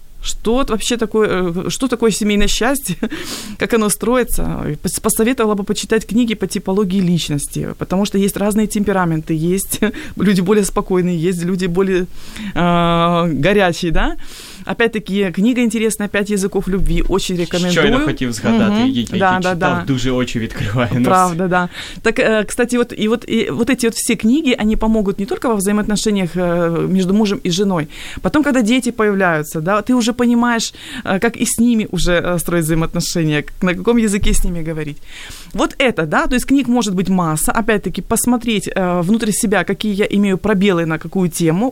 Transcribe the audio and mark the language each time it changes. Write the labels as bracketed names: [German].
[Russian] Что вообще такое, что такое семейное счастье, как оно строится? Посоветовала бы почитать книги по типологии личности, потому что есть разные темпераменты, есть люди более спокойные, есть люди более горячие, да? Опять-таки, книга интересная, «5 языков любви», очень рекомендую. [Ukrainian] Щойно хотів згадати, дуже очі відкриває нас. [Russian] Правда, да. Так, кстати, вот эти вот все книги, они помогут не только во взаимоотношениях между мужем и женой. Потом, когда дети появляются, да, ты уже понимаешь, как и с ними уже строить взаимоотношения, на каком языке с ними говорить. Вот это, да, то есть книг может быть масса. Опять-таки, посмотреть внутрь себя, какие я имею пробелы на какую тему.